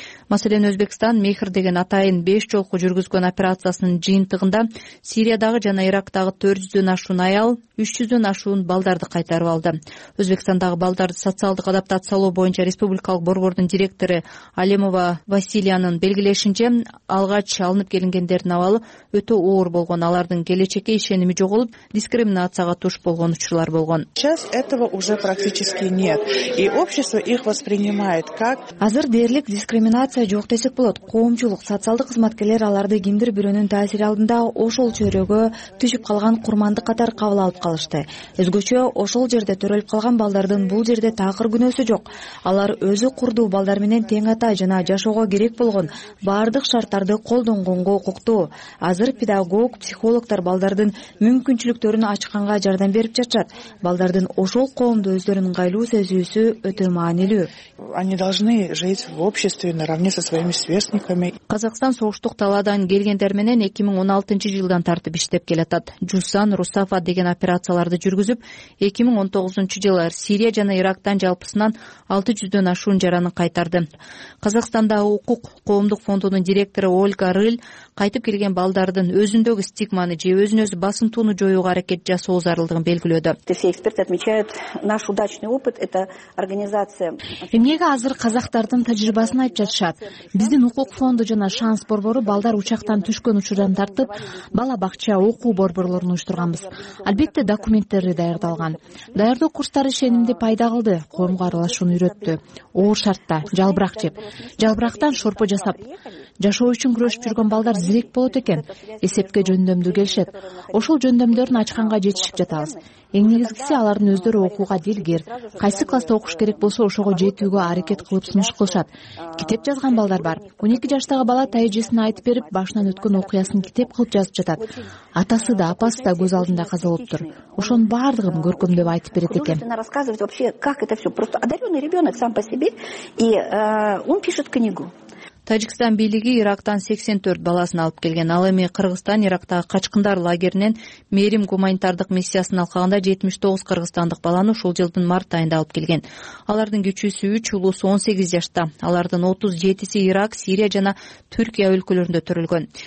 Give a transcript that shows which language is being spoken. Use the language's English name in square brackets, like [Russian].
[Kyrgyz] Маселен, Өзбекстан Мехр деген атайын 5 жолку жүргүзгөн операциясынын жыйынтыгында Сириядагы жана Ирактагы 400'дөн ашуун аял, 300'дөн ашуун балдарды кайтарып алды. Өзбекстандагы балдарды социалдык адаптациялоо боюнча республикалык борбордун директору Алемова Василиянын белгилешинче, алгач алынып келингендердин абалы өтө оор болгон, алардын келечекке ишеними жоголуп, дискриминацияга туш болгон учурлар болгон. [Russian] Сейчас этого уже практически нет, и общество их воспринимает как [Kyrgyz] азыр дээрлик дискриминация жок десек болот. Коомчулук, социалдык кызматкерлер аларды кимдир бирөөнүн таасири алдында ошол чөйрөгө түшүп калган курмандык катары кабыл алып калышты. Өзгөчө ошол жерде төрөлүп калган балдардын бул жерде такыр күнөөсү жок. Алар өзү курдуу балдар менен тең ата жана жашоого керек болгон баардык шарттарды колдонгонго укуктуу. Азыр педагог, психологтор балдардын мүмкүнчүлүктөрүн ачканга жардам берип жатышат. Балдардын ошол коомдо өздөрүн ыңгайлуу сезүүсү өтө маанилүү. [Russian] Они должны жить в обществе наравне со своими сверстниками. [Kyrgyz] Казакстан согуштук талаадан келгендер менен 2016 жылдан тартып иштеп келатат. Жусан, Русафа деген операцияларды жүргүзүп, 2019 жылы Сирия жана Ирактан жалпысынан 600'дөн ашуун жараны кайтарды. Казакстандагы укук коомдук фондунун директору Ольга Рыль кайтып келген балдардын өзүндөгү стигманы же өзүн-өзү басынтууну жоюуга аракет жасоо зарылдыгын белгилөөдө. [Russian] Все эксперты отмечают наш удачный опыт это организация. [Kyrgyz] Эмнеге азыр казактардын тажрыйбасын айтып жатышат? Биздин укук фонду жана шанс борбору балдар учактан түшкөн учурдан тартып бала бакча окуу борборлорун уюштурганбыз. Албетте документтери даярдалган. Даярдоо курстары ишенимди пайда кылды, коомго аралашууну үйрөттү. Оор шартта жалбырак жеп, жалбырактан шорпо жасап жашоо үчүн күрөшүп жүргөн балдар зирек болот экен, эсепке жөндөмдү келишет. Ошол жөндөмдөрүн ачканга жетишип жатабыз. Эң негизгиси алардын өздөрү окууга дилгир, кайсы класста окуш керек болсо ошого жетүүгө аракет кылып сунуш кылышат. Китеп жазган балдар бар. 12 жаштагы бала тажрыйбасын айтып берип, башынан өткөн окуясын китеп кылып жазып жатат. Атасы да, апасы да көз алдында каза болуптур. Ошонун баардыгын көркөмдөп айтып берет экен. [Russian] Рассказывать вообще, как это всё. Просто одарённый ребёнок сам по себе и он пишет книгу. [Kyrgyz] Тажикстан бийлиги Ирактан 84 баласын алып келген. Ал эми Кыргызстан Ирактагы качкындар лагеринен мээрим гуманитардык миссиясын алкагында 79 кыргызстандык баланы ушул жылдын март айында алып келген. Алардын кичүүсү 3, улуусу 18 жашта. Алардын 37 Ирак, Сирия жана Түркия өлкөлөрүндө төрөлгөн.